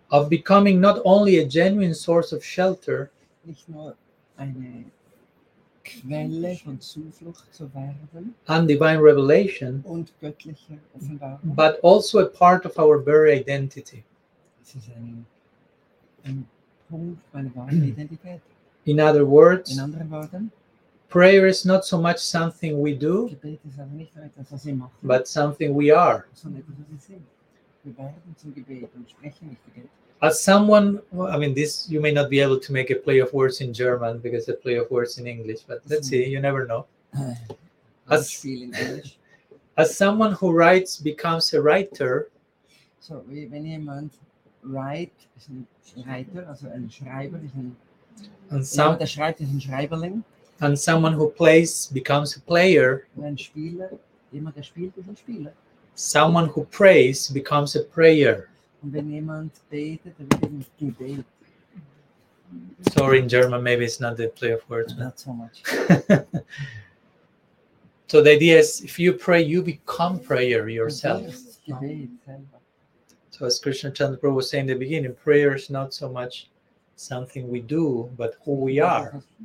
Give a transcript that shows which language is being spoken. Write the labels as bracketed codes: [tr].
[en] of becoming not only a genuine source of shelter, [de] nicht nur eine Quelle von Zuflucht zu werden, [en] and divine revelation, [de] und göttliche Offenbarung, [en] but also a part of our very identity. [de] Es ist ein Punkt meiner wahren Identität. [en] In other words, [de] in anderen Worten, [en] prayer is not so much something we do, [de] Gebet ist aber nicht etwas, was wir machen, [en] but something we are. [de] Sondern etwas, was wir sind. Wir werden zum Gebet und sprechen mit Gebet. [en] As someone, I mean, this, you may not be able to make a play of words in German because a play of words in English, but let's see, you never know. As someone who writes becomes a writer. So, when [de] jemand [en] write, is a writer, also a [de] Schreiber, [en] is [de] jemand, der schreibt, is ein Schreiberling. [en] And someone who plays becomes a player. [de] Ein Spieler, jemand, der spielt, is ein Spieler. [en] Someone who prays becomes a prayer. [de] Und wenn jemand betet, dann wird es Gebet. [en] Sorry, in German, maybe it's not the play of words. Not so much. So the idea is, if you pray, you become prayer yourself. [de] Gebet. [en] So as Krishna Chandra Prabhu was saying in the beginning, prayer is not so much something we do, but who we are.